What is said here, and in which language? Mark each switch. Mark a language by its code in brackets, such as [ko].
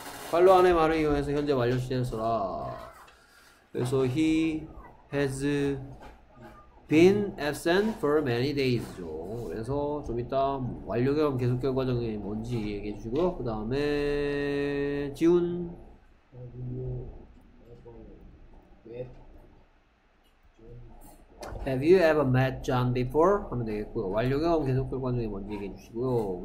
[ko] 관로 안에 말을 이용해서 현재 완료 시제에서라. 그래서 [en] he has been absent for many days죠. [ko] 그래서 좀 이따 완료 경험 계속 결과적인 뭔지 얘기해 주시고요. 그 다음에 지훈. [en] 네. Have you ever met John before? [ko] 하면 되겠고요. 완료경험 계속 결과 중에 먼저 얘기해 주시고요.